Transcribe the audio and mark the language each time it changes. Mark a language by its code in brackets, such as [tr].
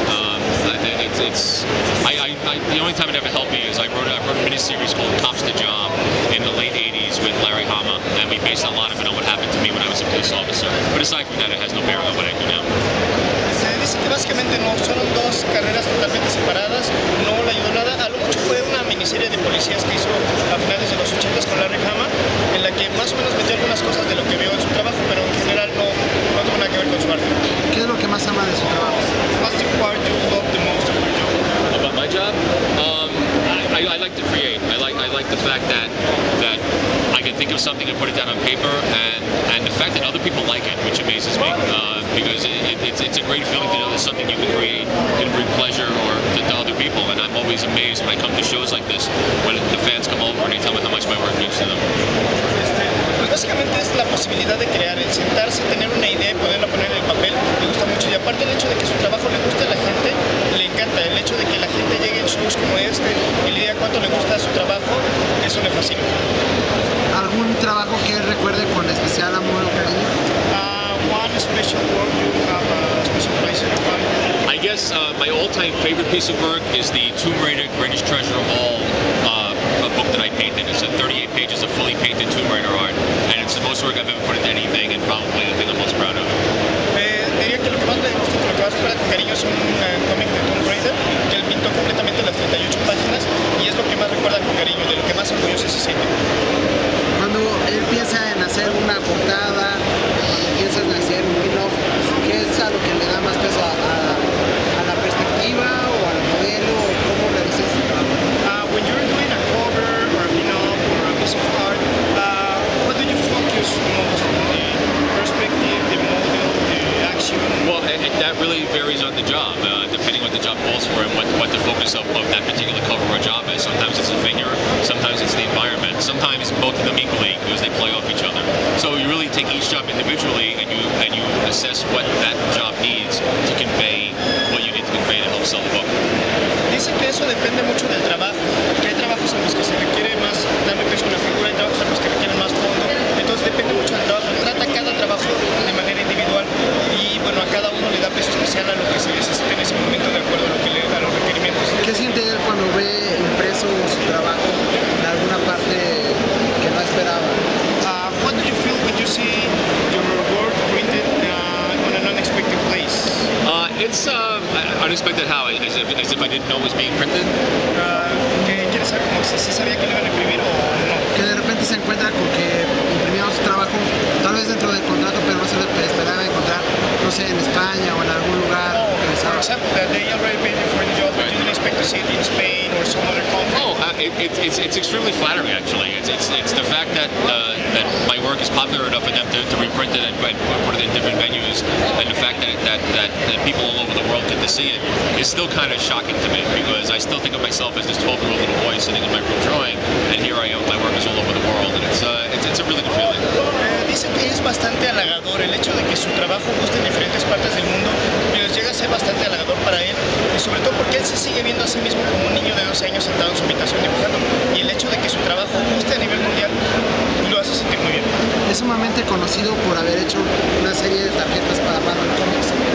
[en] The only time it ever helped me is I wrote a miniseries called Cops the Job in the late 80s with Larry Hama, and we based a lot of it on what happened to me when I was a police officer. But aside from that, it has no bearing on what I do now. [es] Básicamente no, fueron dos carreras totalmente separadas, no le ayudó nada. A lo mucho fue una miniserie de policías que hizo a finales de los 80s con Larry Hama, en la que más o menos metió algunas cosas de lo que vio en su trabajo, pero en general no tuvo nada que ver con su arte. ¿Qué es lo que más ama de su trabajo? [en] What's the part you love the most about your job? About my job? I like to create. I like the fact that I can think of something and put it down on paper, and the fact that other people like it, which amazes me, because it's a great feeling to know that something you can create can bring pleasure or to other people. And I'm always amazed when I come to shows like this, when the fans come over and they tell me how much my work means to them. [es] Básicamente es la posibilidad de crear, el sentarse, tener una idea y poderla poner en el papel, le gusta mucho. Y aparte el hecho de que su trabajo le guste a la gente, le encanta. El hecho de que la gente llegue en shows como este y le diga cuánto le gusta su trabajo, eso me fascina. ¿Algún trabajo que recuerde con especial amor o cariño? [en] I guess my all-time favorite piece of work is the Tomb Raider Greatest Treasure of All book that I painted. It's a 38 pages of fully painted Tomb Raider art, and it's the most work I've ever put into anything, and probably the thing I'm most proud of. [es] Diría que lo que más me gusta con el trabajo de cariño es un cómic de Tomb Raider que él pintó completamente las 38 páginas, y es lo que más recuerda con cariño, de lo que más orgulloso se siente. Cuando él piensa en hacer una portada, cuando piensas en hacer un pin-off, ¿qué es a lo que le da más peso, a la perspectiva o al modelo, o cómo realizas su trabajo? [en] When you're doing a cover or a pin-off or a piece of art, what do you focus most on? The perspective, the model, the action? Well, that really varies on the job, depending what the job calls for and what the focus of that particular cover or job is. Sometimes it's the figure, sometimes it's the environment, sometimes both of them equally because they play off each other. So you really take each job individually and you assess what that job needs to convey what you need to convey to help sell the book. [es] Dice que eso depende mucho del trabajo, que hay trabajos en los que se requiere más darle peso a la figura y trabajos en los que requieren más fondo. Entonces depende mucho del trabajo. Trata cada trabajo de manera individual y bueno, a cada uno le da peso especial a lo que se necesita en ese momento de acuerdo a lo que le da los requerimientos. ¿Qué siente él cuando ve impreso su trabajo en alguna parte que no esperaba? [en] What do you feel when you see your work printed on an unexpected place? It's unexpected how? As if I didn't know it was being printed? [es] ¿Quieres saber cómo se sabía que lo iban a imprimir o no? Que de repente se encuentra con que imprimieron su trabajo, tal vez dentro del contrato, pero no se le esperaba encontrar, no sé, en España o en algún lugar. [en] For example, that they already paid you for the job, but you didn't expect to see it in Spain or some other country. It's extremely flattering, actually. It's the fact that that my work is popular enough for them to reprint it and put it in different venues, and the fact that people all over the world get to see it is still kind of shocking to me, because I still think of myself as this 12-year-old little boy sitting in my room drawing, and here I am, my work is all over the world, and it's a really good feeling. [es] Dice que es bastante halagador el hecho de que su trabajo guste en diferentes partes del mundo, pero llega a ser bastante halagador para él, y sobre todo porque él se sigue viendo a sí mismo como un niño de 12 años sentado en su habitación dibujando, y el hecho de que su trabajo guste a nivel mundial lo hace sentir muy bien. Es sumamente conocido por haber hecho una serie de tarjetas para Marvel Comics.